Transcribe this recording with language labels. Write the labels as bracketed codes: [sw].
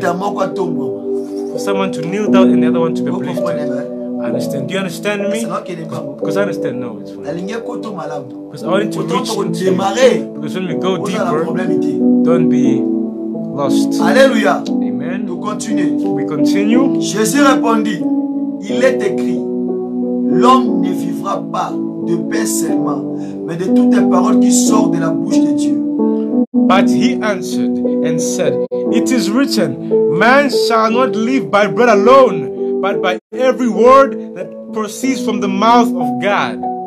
[en] For someone to kneel down and the other one to be uplifted. Understand? Do you understand me? Because I understand. No, it's fine. Because I want to reach into you. Because when we go deeper, don't be lost. Alleluia. Amen. We continue. [fr] Jésus répondit, il est écrit, l'homme ne vivra pas de pain seulement, mais de toutes les paroles qui sortent de la bouche de Dieu. [en] But he answered and said, it is written, man shall not live by bread alone, but by every word that proceeds from the mouth of God.